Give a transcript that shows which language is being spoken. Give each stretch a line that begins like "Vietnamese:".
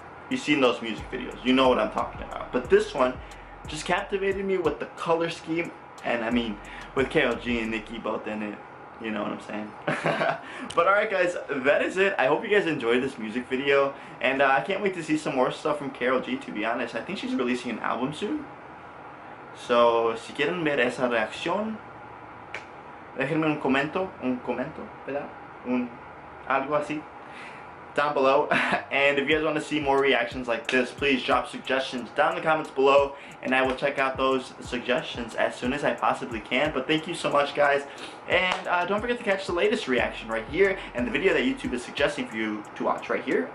English: You've seen those music videos, you know what I'm talking about. But this one just captivated me with the color scheme, and I mean, with Karol G and Nicki both in it, you know what I'm saying? But all right, guys, that is it. I hope you guys enjoyed this music video, and I can't wait to see some more stuff from Karol G, to be honest. I think she's releasing an album soon.
Spanish: So, si quieren ver esa reacción, déjenme un comento, ¿verdad? Algo así.
English: down below. And if you guys want to see more reactions like this, please drop suggestions down in the comments below, and I will check out those suggestions as soon as I possibly can. But thank you so much, guys, and don't forget to catch the latest reaction right here and the video that YouTube is suggesting for you to watch right here.